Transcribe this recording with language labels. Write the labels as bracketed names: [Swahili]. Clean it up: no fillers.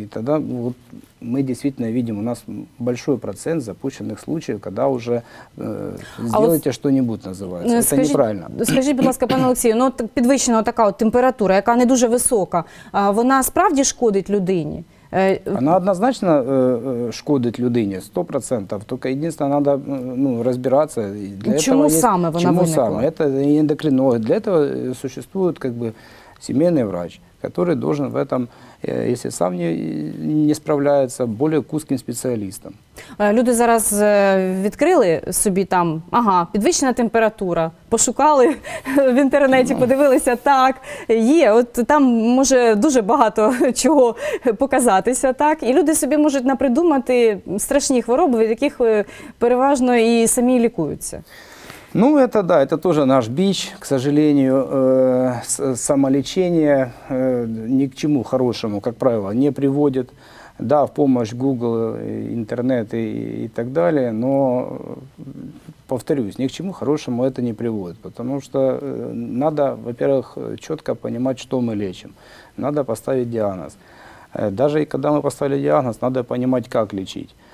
[Russian] И тогда вот, мы действительно видим, у нас большой процент запущенных случаев, когда уже сделайте что-нибудь, называется. Скажи, это неправильно. Скажите, [Ukrainian] будь ласка, пане Олексію, ну, підвищена така от температура, яка не дуже висока, вона справді шкодить людині? [Russian] Она однозначно [Ukrainian] шкодит людині, [Russian] 100%. Только единственное, надо разбираться. Для чому этого саме вона [Ukrainian] чому саме? [Russian] Это эндокринолог. Для этого существует как бы семейный врач, который должен в этом, если сам не справляется, более узким специалистом. [Ukrainian] Люди зараз відкрили собі там, ага, підвищена температура, пошукали в інтернеті, подивилися, так, є, от там може дуже багато чого показатися, так, і люди собі можуть напридумати страшні хвороби, від яких переважно і самі лікуються. [Russian] Ну, это да, это тоже наш бич, к сожалению, самолечение ни к чему хорошему, как правило, не приводит, да, в помощь Google, интернет и так далее, но, повторюсь, ни к чему хорошему это не приводит, потому что надо, во-первых, четко понимать, что мы лечим, надо поставить диагноз. Даже когда мы поставили диагноз, надо понимать, как лечить.